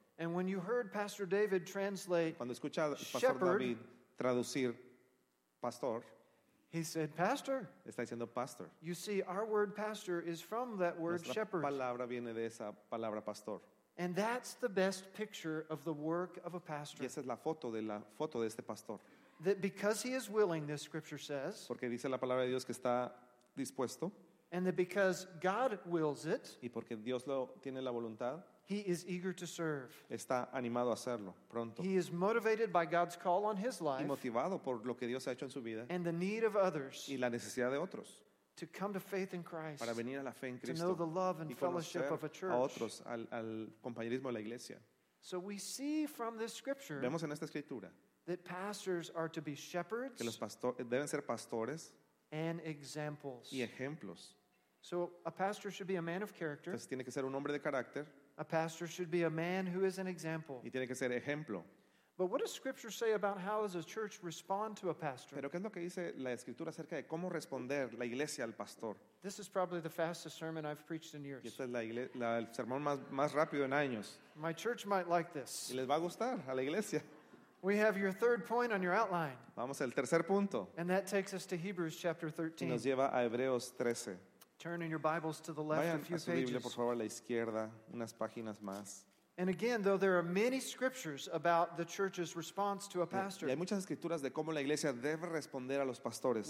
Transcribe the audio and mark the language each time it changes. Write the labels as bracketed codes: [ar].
[en] And when you heard Pastor David translate, [es] cuando escucha al Pastor [en] shepherd, [es] David traducir pastor, [en] he said, pastor. [es] Está diciendo pastor. [en] You see, our word pastor is from that word [es] nuestra [en] shepherd. [es] Nuestra palabra viene de esa palabra pastor. [en] And that's the best picture of the work of a pastor. [es] Y esa es la foto de este pastor. [en] That because he is willing, this scripture says. [es] Porque dice la palabra de Dios que está dispuesto. [en] And that because God wills it. [es] Y porque Dios lo tiene la voluntad. [en] He is eager to serve. [es] Está animado a hacerlo pronto. [en] He is motivated by God's call on his life. [es] Y motivado por lo que Dios ha hecho en su vida. [en] And the need of others. [es] Y la necesidad de otros. [en] To come to faith in Christ. [es] Para venir a la fe en Cristo, [en] to know the love and fellowship of a church. [es] A otros, al compañerismo de la iglesia. [en] So we see from this scripture. [es] Vemos en esta escritura. [en] That pastors are to be shepherds. [es] Que los pastores deben ser pastores. [en] And examples. [es] Y ejemplos. [en] So a pastor should be a man of character. [es] Entonces, tiene que ser un hombre de carácter. [en] A pastor should be a man who is an example. [es] Y tiene que ser ejemplo. [en] But what does Scripture say about how does a church respond to a pastor? [es] Pero qué es lo que dice la escritura acerca de cómo responder la iglesia al pastor? [en] This is probably the fastest sermon I've preached in years. [es] Este es el sermón más rápido en años. [en] My church might like this. [es] Y les va a gustar a la iglesia. [en] We have your third point on your outline. [es] Vamos al tercer punto. [en] And that takes us to Hebrews chapter 13. [es] Y nos lleva a Hebreos 13. [en] Turn in your Bibles to the left [es] a [en] few pages. [es] Vayan a su Biblia, por favor, a la izquierda, unas páginas más. [en] And again, though there are many scriptures about the church's response to a pastor, [es] y hay muchas escrituras de cómo la iglesia debe responder a los pastores.